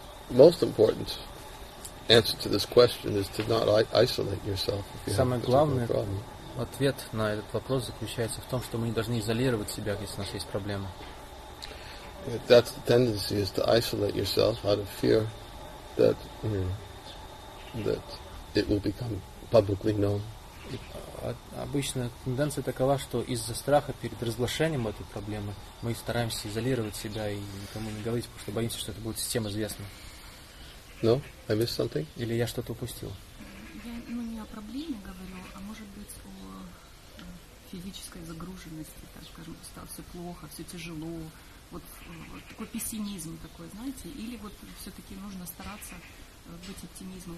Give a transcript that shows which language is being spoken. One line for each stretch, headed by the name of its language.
English: Most important answer to this question is to not isolate yourself.
Russian: Самое главное ответ на этот вопрос заключается в том, что мы не должны изолировать себя, если у нас есть проблемы.
English: That's the tendency is to isolate yourself out of fear that that it will become publicly known.
Russian: Обычно тенденция такова, что из-за страха перед разглашением этой проблемы мы стараемся изолировать себя и никому не говорить, потому что боимся, что это будет всем известно.
English: No, I missed something.
Russian: Или я что-то упустил? Я не о проблеме говорю, а может быть о физической загруженности, так скажем, стало все плохо, все тяжело, вот такой пессимизм такой, знаете, или вот все-таки нужно стараться быть оптимизмом.